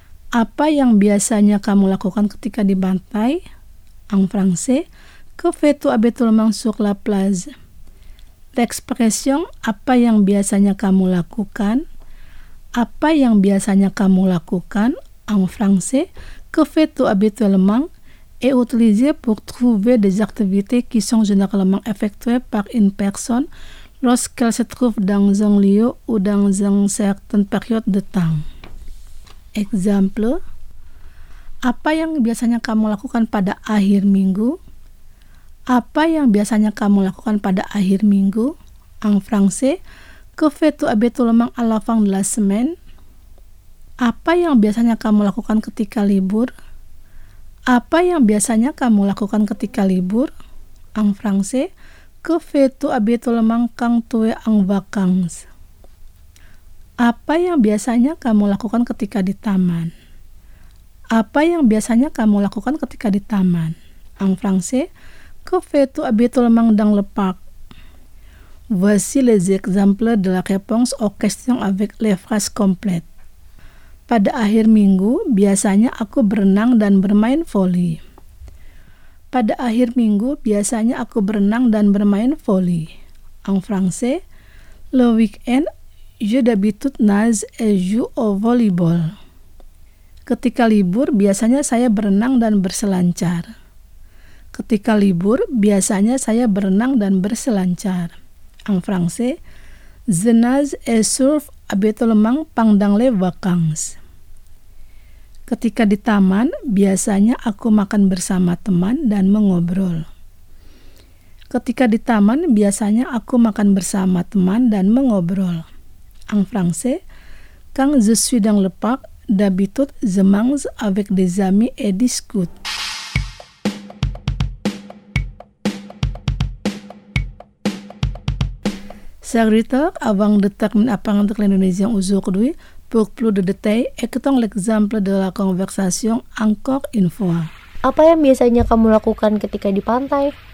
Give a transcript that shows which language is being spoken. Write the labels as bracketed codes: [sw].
[id] Apa yang biasanya kamu lakukan ketika di pantai? [fr] En français, que fais-tu habituellement sur la plage? L'expression [id] apa yang biasanya kamu lakukan? Apa yang biasanya kamu lakukan? [fr] En français, que fais-tu habituellement? Est utilisé pour trouver des activités qui sont généralement effectuées par une personne lorsqu'elle se trouve dans un lieu ou dans une certaine période de temps. Exemple. [id] Apa yang biasanya kamu lakukan pada akhir minggu? Apa yang biasanya kamu lakukan pada akhir minggu? [fr] En français, que fais-tu habituellement à la fin de la semaine? [id] Apa yang biasanya kamu lakukan ketika libur? Apa yang biasanya kamu lakukan ketika libur? [fr] En français, que fais-tu habituellement quand tu es en vacances? [id] Apa yang biasanya kamu lakukan ketika di taman? Apa yang biasanya kamu lakukan ketika di taman? [fr] En français, que fais-tu habituellement dans le parc? Voici les exemples de la réponse aux questions avec les phrases complètes. [id] Pada akhir minggu, biasanya aku berenang dan bermain voli. Pada akhir minggu, biasanya aku berenang dan bermain voli. [fr] En français, le weekend, je d'habitude nage et joue au volleyball. [id] Ketika libur, biasanya saya berenang dan berselancar. Ketika libur, biasanya saya berenang dan berselancar. [fr] En français, je nage et surf habituellement pendant les vacances. [id] Ketika di taman, biasanya aku makan bersama teman dan mengobrol. Ketika di taman, biasanya aku makan bersama teman dan mengobrol. [fr] En français, quand je suis dans le parc, d'habitude, je mange avec des amis et discute. Chers auditeurs, avant de terminer à parler de l'Indonésie aujourd'hui, pour plus de détails, écoutons l'exemple de la conversation encore une fois. [id] Apa yang biasanya kamu lakukan ketika di pantai?